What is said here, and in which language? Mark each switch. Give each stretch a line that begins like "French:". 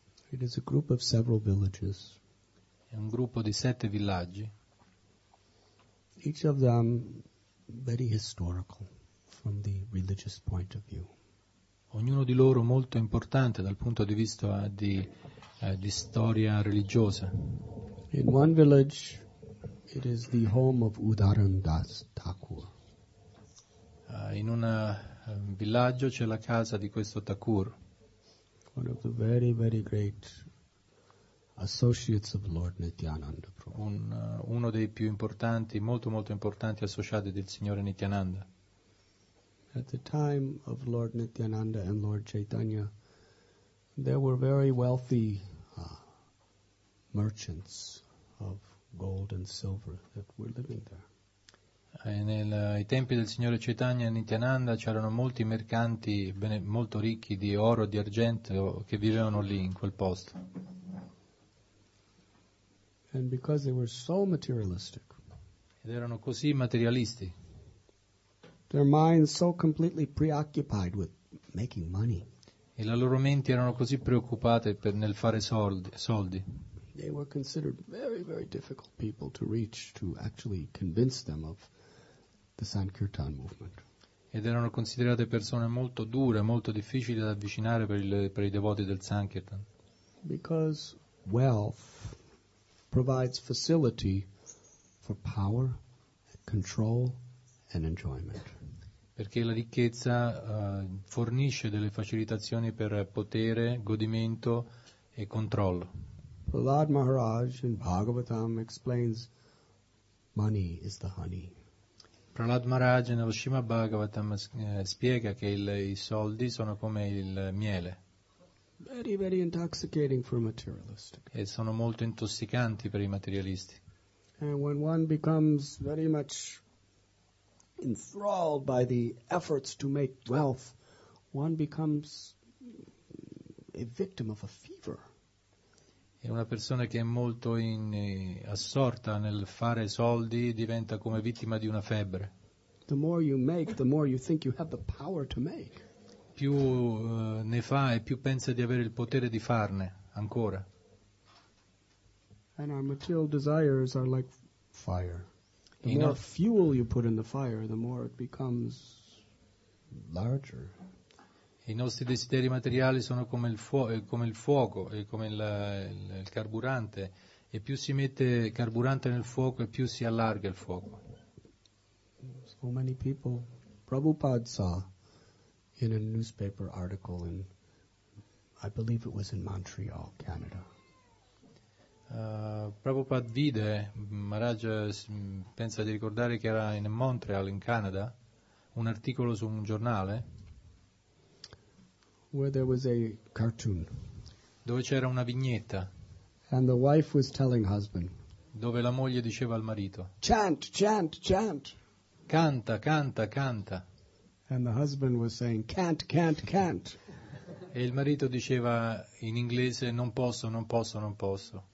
English: It is a group of several villages.
Italian: È un gruppo di sette villaggi.
English: Each of them very historical from the religious point of view.
Italian: Ognuno di loro molto importante dal punto di vista di storia religiosa.
English: In one village it is the home of Udharandas Thakur.
Italian: In un villaggio c'è la casa di questo Thakur.
English: One of the very, very great associates of Lord Nityananda Prabhu.
Italian: Uno dei più importanti, molto molto importanti associati del Signore Nityananda.
English: At the time of Lord Nityananda and Lord Chaitanya, there were very wealthy merchants of gold and silver that were living there.
Italian: Ai tempi del Signore Chaitanya e Nityananda c'erano molti mercanti molto ricchi di oro e di argento che vivevano lì in quel posto.
English: And because they were so materialistic,
Italian: ed erano così materialisti,
English: their minds so completely preoccupied with making money,
Italian: e la loro mente erano così preoccupate nel fare soldi.
English: They were considered very, very difficult people to reach to actually convince them of the Sankirtan movement.
Italian: Ed erano considerate persone molto dure, molto difficili da avvicinare per i devoti del Sankirtan.
English: Because wealth provides facility for power, control and enjoyment.
Italian: Perché la ricchezza fornisce delle facilitazioni per potere, godimento e controllo.
English: Prahlad Maharaj in Bhagavatam explains money is the honey.
Italian: Prahlad Maharaj nello Srimad Bhagavatam spiega che i soldi sono come il miele.
English: Very, very intoxicating for materialistic.
Italian: E sono molto intossicanti per i materialisti.
English: And when one becomes very much enthralled by the efforts to make wealth, one becomes a victim of a fever.
Italian: E una persona che è molto assorta nel fare soldi diventa come vittima di una febbre.
English: The more you make, the more you think you have the power to make.
Italian: Più ne fa e più pensa di avere il potere di farne ancora.
English: And our material desires are like fire. The more fuel you put in the fire, the more it becomes larger.
Italian: I nostri desideri materiali sono come il fuoco e come il carburante, e più si mette carburante nel fuoco e più si allarga il fuoco.
English: So many people, Prabhupada saw in a newspaper article in, I believe it was in Montreal, Canada.
Italian: Prabhupada vide, Maharaj pensa di ricordare che era in Montreal, in Canada, un articolo su un giornale
English: where there was a cartoon.
Italian: Dove c'era una vignetta.
English: And the wife was telling husband.
Italian: Dove la moglie diceva al marito.
English: Chant, chant, chant.
Italian: Canta, canta, canta.
English: And the husband was saying can't, can't, can't.
Italian: E il marito diceva in inglese non posso, non posso, non posso.